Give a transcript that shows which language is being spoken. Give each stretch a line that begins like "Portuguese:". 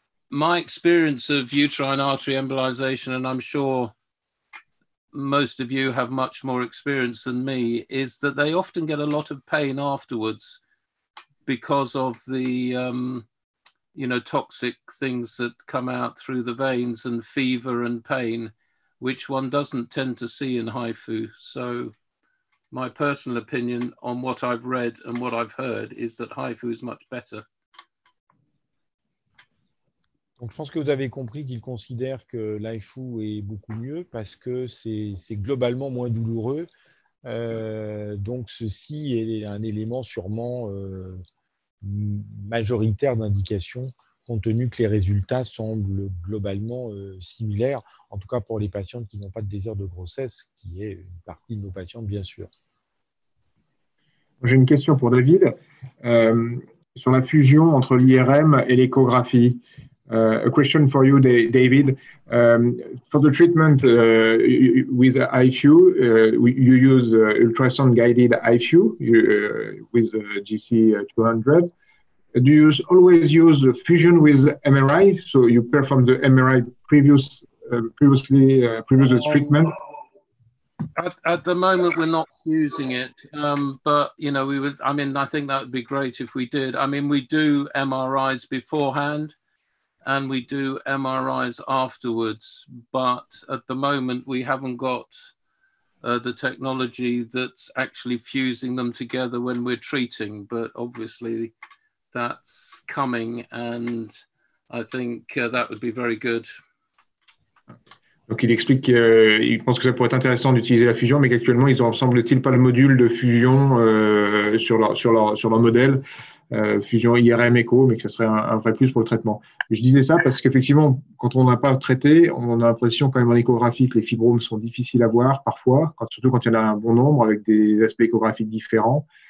English: My experience of uterine artery embolization, and I'm sure most of you have much more experience than me, is that they often get a lot of pain afterwards because of the toxic things that come out through the veins, and fever and pain, which one doesn't tend to see in HIFU. So my personal opinion on what I've read and what I've heard is that HIFU is much better.
French: Donc, je pense que vous avez compris qu'il considère que l'IFU est beaucoup mieux parce que c'est globalement moins douloureux. Donc, ceci est un élément sûrement majoritaire d'indication, compte tenu que les résultats semblent globalement similaires, en tout cas pour les patientes qui n'ont pas de désir de grossesse, qui est une partie de nos patientes, bien sûr. J'ai une question pour David sur la fusion entre l'IRM et l'échographie.
English: A question for you, David. For the treatment with IFU, you use ultrasound-guided IFU with GC200. Do you always use fusion with MRI? So you perform the MRI previous treatment? At the moment, we're not using it. I think that would be great if we did. I mean, we do MRIs beforehand, and we do MRIs afterwards, but at the moment we haven't got the technology that's actually fusing them together when we're treating, but obviously that's coming, and I think that would be very good.
French: Donc il explique qu'il pense que ça pourrait être intéressant d'utiliser la fusion, mais qu'actuellement ils ont, semble-t-il, pas le module de fusion sur leur modèle. Fusion IRM écho, mais que ce serait un vrai plus pour le traitement. Je disais ça parce qu'effectivement, quand on n'a pas traité, on a l'impression quand même en échographie que les fibromes sont difficiles à voir parfois, surtout quand il y en a un bon nombre avec des aspects échographiques différents.